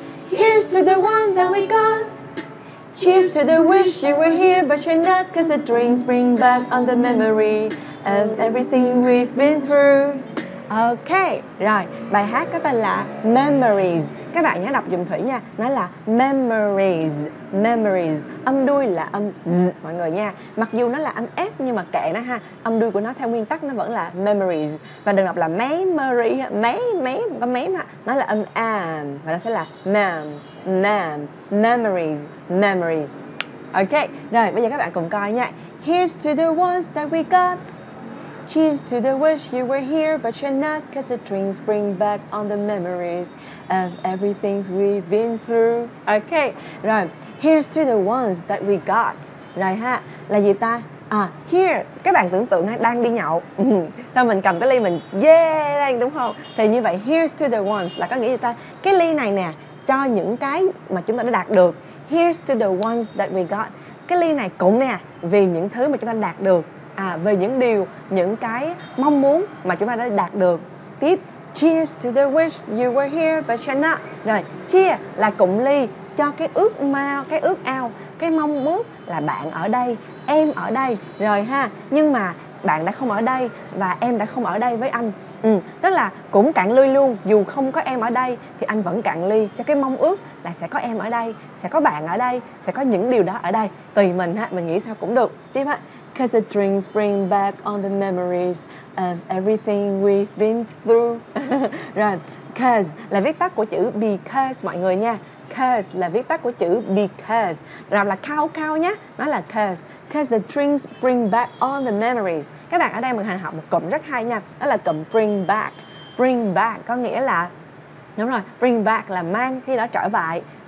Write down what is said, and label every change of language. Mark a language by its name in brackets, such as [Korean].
[English] Here's to the ones that we got. Cheers to the wish you were here, but you're not. Cause the drinks bring back all the memory of everything we've been through. [Vietnamese] Okay, rồi, bài hát có tên là Memories. Các bạn nhớ đọc giùm Thủy nha. Nó là Memories, Memories. Âm đuôi là âm Z, mọi người nha. Mặc dù nó là âm S nhưng mà kệ nó ha. Âm đuôi của nó theo nguyên tắc nó vẫn là Memories. Và đừng đọc là Memory, Mấy, có mấy mà. Nó là âm Am. Và nó sẽ là Mam, Mam, Memories, Memories. Okay, rồi, bây giờ các bạn cùng coi nha. [English] Here's to the ones that we got. Cheers to the wish you were here, but you're not. Cause the drinks bring back all the memories of everything we've been through. Okay, [Vietnamese] rồi. [English] Here's to the ones that we got. [Vietnamese] Rồi ha, là gì ta? À, here. Các bạn tưởng tượng đang đi nhậu. Sao mình cầm cái ly mình, yeah, đúng không? Thì như vậy, [English] here's to the ones [Vietnamese] là có nghĩa gì ta? Cái ly này nè, cho những cái mà chúng ta đã đạt được. [English] Here's to the ones that we got. [Vietnamese] Cái ly này cũng nè, vì những thứ mà chúng ta đạt được. À, về những điều, những cái mong muốn mà chúng ta đã đạt được. [English] Tiếp, cheers to the wish you were here but you're not. [Vietnamese] Rồi, cheer là cụm ly cho cái ước mơ, cái ước ao, cái mong muốn là bạn ở đây, em ở đây. Rồi ha, nhưng mà bạn đã không ở đây và em đã không ở đây với anh. Ừ, tức là cũng cạn ly luôn, dù không có em ở đây thì anh vẫn cạn ly cho cái mong ước là sẽ có em ở đây, sẽ có bạn ở đây, sẽ có những điều đó ở đây. Tùy mình ha, mình nghĩ sao cũng được. Tiếp ha. [English] Cause the drinks bring back all the memories of everything we've been through. [Vietnamese] Rồi, cause là viết tắt của chữ because mọi người nha. Cause là viết tắt của chữ because. Rồi là khao khao nhé, nó là cause. [English] Cause the drinks bring back all the memories. [Vietnamese] Các bạn ở đây mình hành học một cụm rất hay nha. Đó là cụm bring back. Bring back có nghĩa là, đúng rồi, bring back là mang khi đó trở lại.